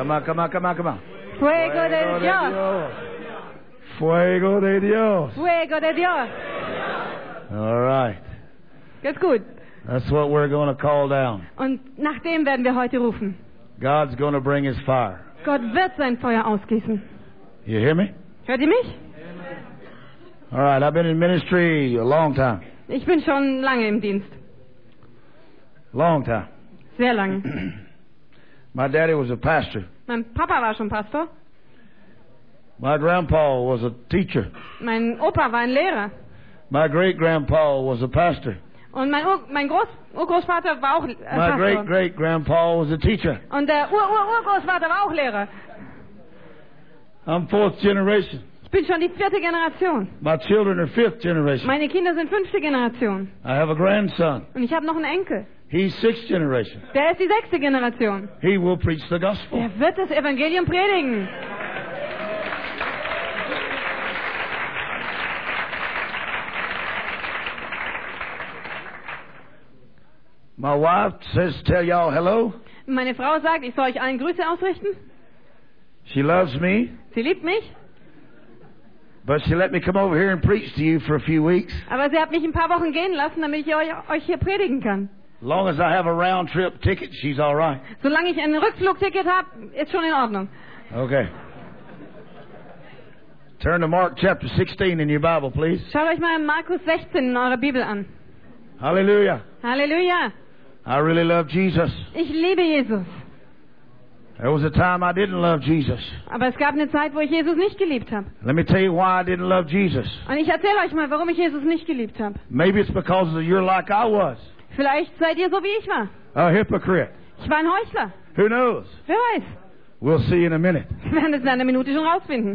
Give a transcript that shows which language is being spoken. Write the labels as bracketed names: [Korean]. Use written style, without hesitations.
[English] Come on, come on, come on, come on. [Spanish] Fuego de Dios. Fuego de Dios. Fuego de Dios. [English] All right. That's good. That's what we're going to call down. [German] Und nach dem werden wir heute rufen. [English] God's going to bring his fire. [German] Gott wird sein Feuer ausgießen. [English] You hear me? [German] Hört ihr mich? [English] All right, I've been in ministry a long time. [German] Ich bin schon lange im Dienst. [English] Long time. [German] Sehr lange. [English] My daddy was a pastor. [German] Mein Papa war schon Pastor. [English] My grandpa was a teacher. [German] Mein Opa war ein Lehrer. [English] My great-grandpa was a pastor. [German] Und mein Urgroßvater war auch Pastor. [English] My great-great-grandpa was a teacher. [German] Und der Urgroßvater war auch Lehrer. [English] I'm fourth generation. [German] Ich bin schon die vierte Generation. [English] My children are fifth generation. [German] Meine Kinder sind fünfte Generation. [English] I have a grandson. [German] Und ich habe noch einen Enkel. [English] He's sixth generation. [German] Der ist die sechste Generation. [English] He will preach the gospel. [German] Er wird das Evangelium predigen. [English] My wife says, "Tell y'all hello." [German] Meine Frau sagt, ich soll euch allen Grüße ausrichten. [English] She loves me. [German] Sie liebt mich. [English] But she let me come over here and preach to you for a few weeks. [German] Aber sie hat mich ein paar Wochen gehen lassen, damit ich euch hier predigen kann. [English] Long as I have a round trip ticket, she's all right. [German] Solange ich ein Rückflugticket habe, ist schon in Ordnung. [English] Okay. Turn to Mark chapter 16 in your Bible, please. [German] Schaut euch mal Markus 16 in eurer Bibel an. Hallelujah. Hallelujah. [English] I really love Jesus. [German] Ich liebe Jesus. [English] There was a time I didn't love Jesus. [German] Aber es gab eine Zeit, wo ich Jesus nicht geliebt habe. [English] Let me tell you why I didn't love Jesus. [German] Und ich erzähle euch mal, warum ich Jesus nicht geliebt habe. [English] Maybe it's because you're like I was. [German] Vielleicht seid ihr so wie ich war. [English] A hypocrite. [German] Ich war ein Heuchler. [English] Who knows? [German] Wer weiß? [English] We'll see in a minute. [German] Wir werden es in einer Minute schon rausfinden.